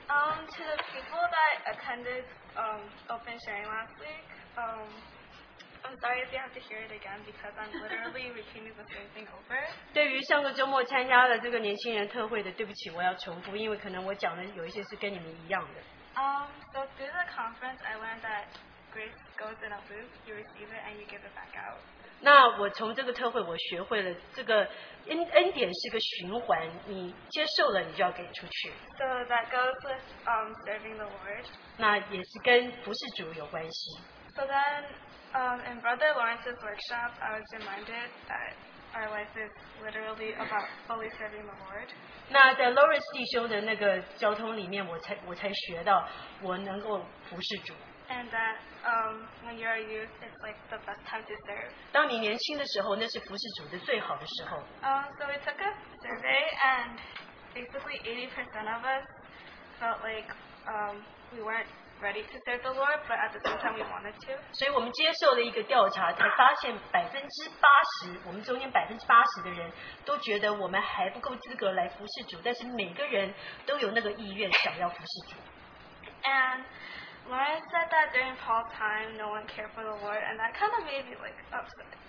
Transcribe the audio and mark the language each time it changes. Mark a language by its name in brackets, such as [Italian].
[English] To the people that attended open sharing last week, I'm sorry if you have to hear it again because I'm literally repeating the same thing over. [Chinese] 对于上个周末参加了这个年轻人特会的，对不起，我要重复，因为可能我讲的有一些是跟你们一样的。 [English] So through the conference, I learned that grace goes in a loop. You receive it and you give it back out. [Chinese] 那我从这个特会，我学会了这个恩典是个循环，你接受了，你就要给出去。 [English] So that goes with serving the Lord. [Chinese] 那也是跟服事主有关系。 [English] So then, in Brother Lawrence's workshop, I was reminded that our life is literally about fully serving the Lord. [Chinese] 那在 Lawrence 弟兄的那个交通里面，我才学到我能够服事主。 [English] And that when you are youth, it's like the best time to serve. [Chinese] 当你年轻的时候，那是服事主的最好的时候。 [English] So we took a survey, and basically 80% of us felt like we weren't ready to serve the Lord, but at the same time we wanted to. [Chinese] 所以我们接受了一个调查，才发现80%，我们中间80%的人都觉得我们还不够资格来服事主，但是每个人都有那个意愿想要服事主。 [English] And Lawrence said that during Paul's time, no one cared for the Lord, and that kind of made me like upset.